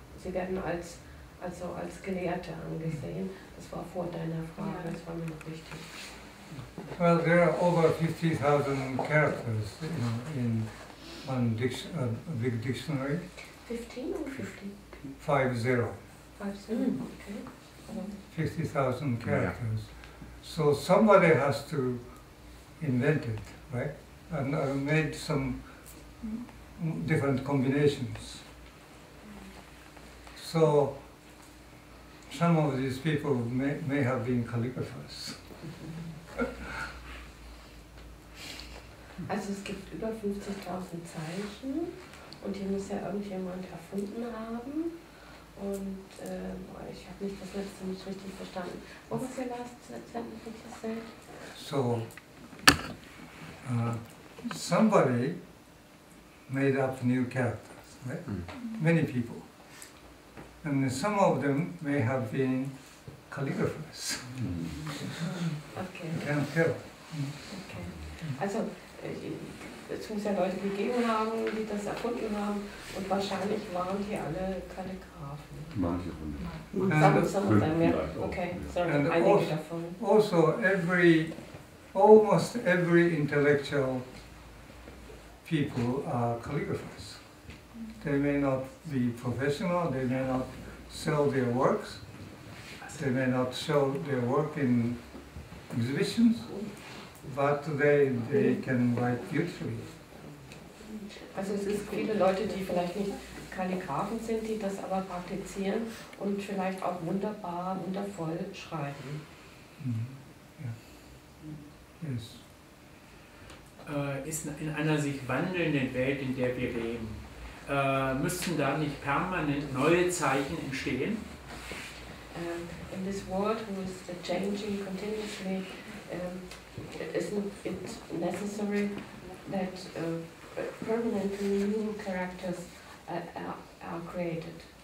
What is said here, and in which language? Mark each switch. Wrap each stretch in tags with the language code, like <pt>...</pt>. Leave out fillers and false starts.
<de>Sie werden als Gelehrte angesehen. Das war vor deiner Frage, das war mir noch wichtig.</de> <en>Well, there are over 50.000 characters in one big dictionary. 15 or 50? 50. 50, okay. 50,000 characters. Yeah. So somebody has to invent it, right? And made some different combinations. So some of these people may have been calligraphers.</en> <de>Also es gibt über 50,000 Zeichen und die muss ja irgendjemand erfunden haben. Und ich habe nicht das letzte nicht richtig verstanden. Wo ist der letzte Sentence?</de> <en>So, somebody made up new characters, right? Mm. Many people. And some of them may have been calligraphers. Okay. You can't tell. Okay.</en> <de>Also, es muss ja Leute gegeben haben, die das erfunden haben, und wahrscheinlich waren die alle Kalligraphen. Manche von denen. Einige davon.</de> <en>Almost every intellectual people are calligraphers. They may not be professional, they may not sell their works, they may not show their work in exhibitions, but they can write beautifully.</en> <de>Also es ist viele Leute, die vielleicht nicht Kalligraphen sind, die das aber praktizieren und vielleicht auch wunderbar, wundervoll schreiben.</de> <en>Mm-hmm. Yeah. Yes.</en> <de>Ist in einer sich wandelnden Welt, in der wir leben, müssten da nicht permanent neue Zeichen entstehen?</de> <en>In this world, who is changing continuously, isn't it necessary that permanently new characters are created?</en>